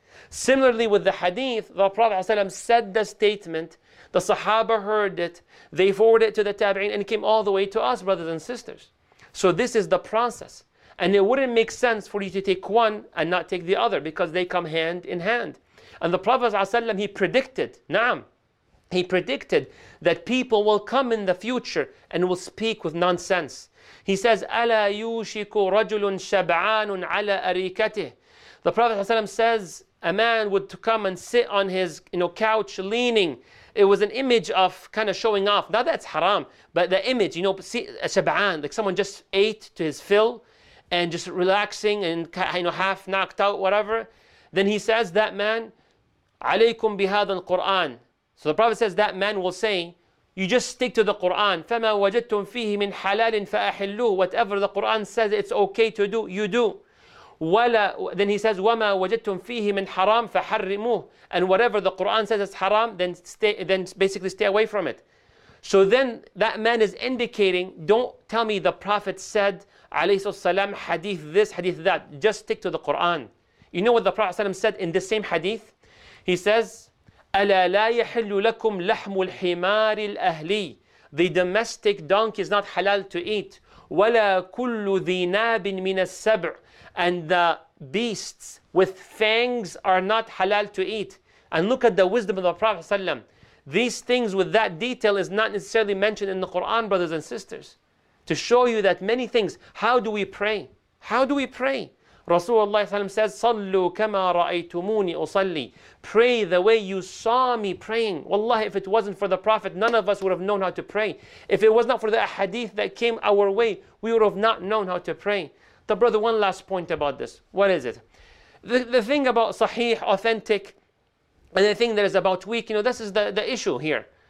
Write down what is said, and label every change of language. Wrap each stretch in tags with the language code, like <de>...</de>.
<en>Similarly with the Hadith, the Prophet ﷺ said the statement, the Sahaba heard it, they forwarded it to the Tabi'een and it came all the way to us, brothers and sisters. So this is the process. And it wouldn't make sense for you to take one and not take the other, because they come hand in hand. And the Prophet ﷺ, he predicted, na'am, He predicted that people will come in the future and will speak with nonsense. He says,</en> <ar>أَلَا يُوشِكُ رَجُلٌ شَبْعَانٌ عَلَى أَرِيكَتِهِ.</ar> <en>The Prophet ﷺ says, a man would come and sit on his couch leaning. It was an image of kind of showing off. Not that it's haram, but the image, see, a shab'an, like someone just ate to his fill and just relaxing and half knocked out, whatever. Then he says, that man,</en> <ar>عَلَيْكُمْ بِهَذَا الْقُرْآنِ.</ar> <en>So the Prophet says that man will say, you just stick to the Quran.</en> <ar>فَمَا وَجَدْتُمْ فِيهِ مِنْ حَلَالٍ فَأَحِلُّهُ.</ar> <en>Whatever the Quran says it's okay to do, you do.</en> <ar>وَلَا,</ar> <en>then he says,</en> <ar>وَمَا وَجَدْتُمْ فِيهِ مِنْ حَرَامٍ فَحَرِّمُهُ.</ar> <en>And whatever the Quran says is haram, then basically stay away from it. So then that man is indicating, don't tell me the Prophet said,</en> <ar>عليه السلام,</ar> <en>hadith this, hadith that. Just stick to the Quran. You know what the Prophet said in the same hadith?</en> <ar>He says, أَلَا لَا يَحِلُّ لَكُمْ لَحْمُ الْحِمَارِ الْأَهْلِي.</ar> <en>The domestic donkey is not halal to eat.</en> <ar>وَلَا كُلُّ ذِنَابٍ مِنَ السَّبْعِ.</ar> <en>And the beasts with fangs are not halal to eat. And look at the wisdom of the Prophet ﷺ. These things with that detail is not necessarily mentioned in the Quran, brothers and sisters. To show you that many things. How do we pray? How do we pray? Rasulullah says,</en> <ar>صَلُّوا كَمَا رَأَيْتُمُونِ أُصَلِّي.</ar> <en>Pray the way you saw me praying. Wallahi, if it wasn't for the Prophet, none of us would have known how to pray. If it was not for the hadith that came our way, we would have not known how to pray. The brother, one last point about this. What is it? The thing about sahih, authentic, and the thing that is about weak, this is the issue here.</en>